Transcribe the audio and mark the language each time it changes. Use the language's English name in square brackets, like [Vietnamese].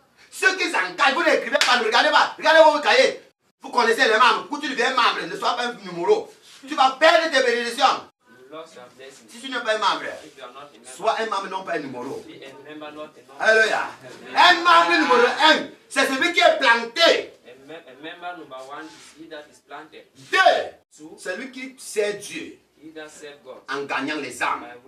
[French] Ceux qui s'engagent, vous n'écrivez pas, ne regardez pas. Regardez vos cahiers. Vous connaissez les membres. Quand tu deviens membre, ne sois pas un numéro. Tu vas perdre tes bénédictions. Si tu n'es pas un membre, sois un membre, non pas un numéro. Alléluia. Un membre numéro 1, c'est celui qui est planté. [English] Member number one is he that is planted. [French] Deux, celui qui sert Dieu en gagnant les âmes.